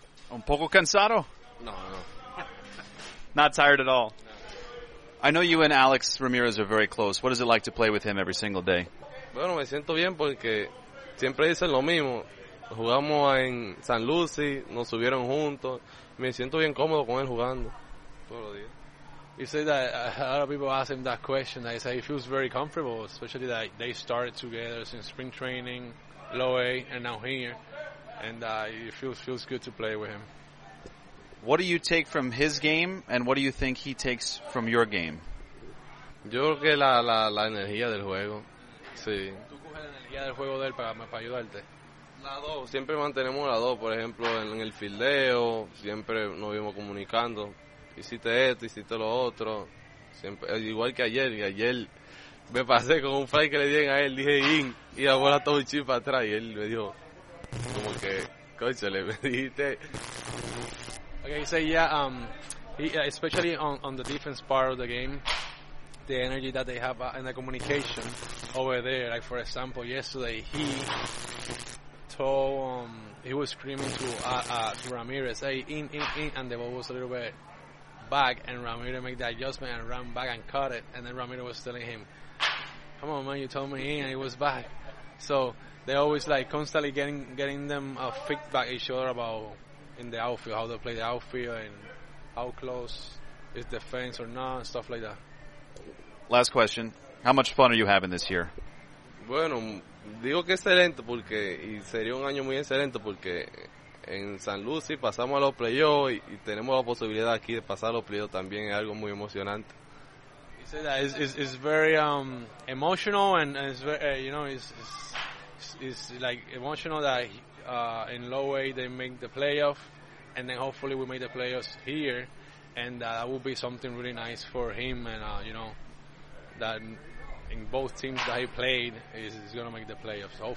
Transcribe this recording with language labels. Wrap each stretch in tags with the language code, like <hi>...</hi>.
<es>Un poco cansado? No, no.</es> <en>Not tired at all? No. I know you and Alex Ramirez are very close. What is it like to play with him every single day?</en> <es>Bueno, me siento bien porque siempre dicen lo mismo. jugamos en San Lucy, nos subieron juntos. Me siento bien cómodo con él jugando todos los días.</es> <en>You say that a lot of people ask him that question. They say he feels very comfortable, especially that they started together since spring training, low A, and now here. And it feels good to play with him. What do you take from his game, and what do you think he takes from your game?</en> <es>Yo creo que la energía del juego, sí. ¿Tú coges la energía del juego de él para ayudarte? La dos, siempre mantenemos la dos, por ejemplo, en el fildeo, siempre nos vimos comunicando. Hiciste esto, hiciste lo otro. Siempre, igual que ayer, y ayer me pasé con un fly que le di a él, dije in, y la bola todo un chip para atrás, y él me dijo, como que, coche, le dijiste.</es> <en>Okay, so yeah, especially on the defense part of the game, the energy that they have in the communication over there, like for example, yesterday he told, he was screaming to Ramirez, hey, in, and the ball was a little bit back, and Ramirez made the adjustment and ran back and caught it, and then Ramirez was telling him, come on man, you told me in, and it was back. So they always like constantly getting them feedback each other about in the outfield, how they play the outfield and how close is defense or not, stuff like that. Last question, how much fun are you having this year?</en> <es>Bueno, digo que excelente porque, y sería un año muy excelente porque en San Lucy pasamos a los playoffs y tenemos la posibilidad aquí de pasar a los playoffs también, es algo muy emocionante.</es> <en>You say that it's very emotional and it's very, you know, it's like emotional that in low A they make the playoff, and then hopefully we make the playoffs here, and that will be something really nice for him, and you know, that in both teams that he played is going to make the playoffs.</en>